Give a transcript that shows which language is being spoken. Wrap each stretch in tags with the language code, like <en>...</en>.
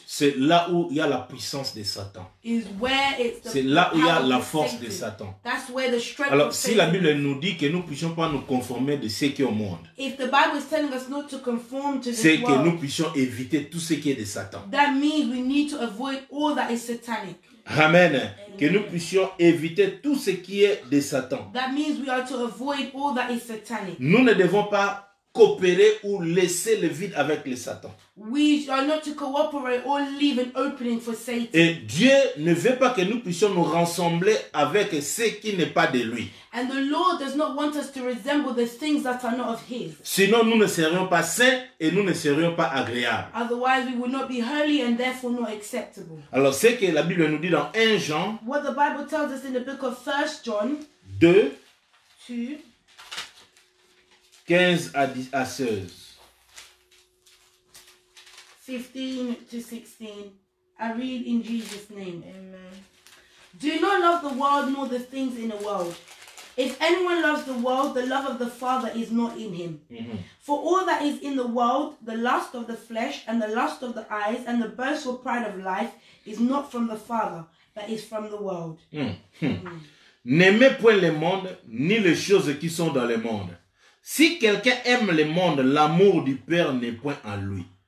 <fr>C'est là où il y a la puissance de Satan.</fr> <en>Is where it's the.</en> <fr>C'est là où il y a la force de Satan.</fr> <en>That's where the strength.</en> <fr>Alors, si la Bible nous dit que nous puissions pas nous conformer de ce qui est au monde.</fr> <en>If the Bible is telling us not to conform to the world.</en> <fr>C'est que nous puissions éviter tout ce qui est de Satan.</fr> <en>That means we need to avoid all that is satanic. Amen. Amen.</en> <fr>Que nous puissions éviter tout ce qui est de Satan.</fr> <en>That means we are to avoid all that is satanic.</en> <fr>Nous ne devons pas coopérer ou laisser le vide avec le Satan.</fr> <en>We are not to cooperate or leave an opening for Satan.</en> <fr>Et Dieu ne veut pas que nous puissions nous rassembler avec ce qui n'est pas de lui.</fr> <en>And the Lord does not want us to resemble the things that are not of His.</en> <fr>Sinon, nous ne serions pas saints et nous ne serions pas agréables.</fr> <en>Otherwise, we would not be holy and therefore not acceptable.</en> <fr>Alors, ce que la Bible nous dit dans 1 Jean.</fr> <en>What the Bible tells us in the book of 1 John. 2. 2.</en> <fr>15 à 10, à 16.</fr> <en>15 to 16. I read in Jesus' name. Amen. Do not love the world nor the things in the world. If anyone loves the world, the love of the Father is not in him. Mm-hmm. For all that is in the world, the lust of the flesh and the lust of the eyes and the boastful pride of life is not from the Father, but is from the world.</en> <fr>N'aimez point le monde, ni les choses qui sont dans le monde. Si quelqu'un aime le monde, l'amour du Père n'est point en lui.</fr>